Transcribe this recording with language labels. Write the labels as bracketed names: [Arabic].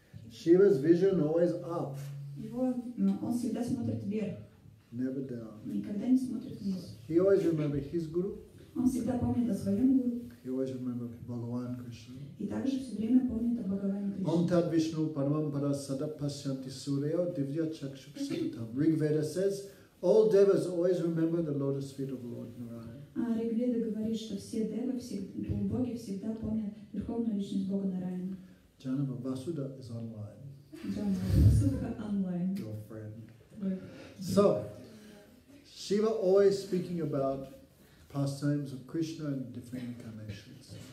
[English] Shiva's vision always up. [Russian] Он всегда смотрит вверх. [English] Never down. [Russian] Никогда не смотрит вниз. [English] He always remembers his guru. [Russian] Он всегда помнит о своем гуру. [English] He always remembers Bhagavan Krishna. [Russian] И также все время помнит о Бхагаване Кришне. [Sanskrit] Ом тат Вишну парампара сада пасьянти сурео дивья чакшук сатам. [English] Ригведа says, all devas always remember the lotus feet of Lord Narayana. [Russian] Ригведа говорит, что все девы, боги всегда помнят верховную личность Бога Нараяна. [English] Janava Vasuda is online. Janava Vasuda online. Your friend. So, Shiva always speaking about pastimes of Krishna and different incarnations.